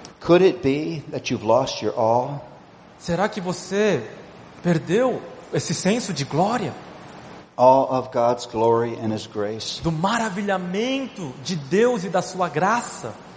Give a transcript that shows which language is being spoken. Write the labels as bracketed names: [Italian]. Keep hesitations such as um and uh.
[English] Could it be that you've lost your awe? [Portuguese] Será que você perdeu esse senso de glória? [English] All of God's glory and His grace. [Portuguese] do maravilhamento de Deus e da sua graça.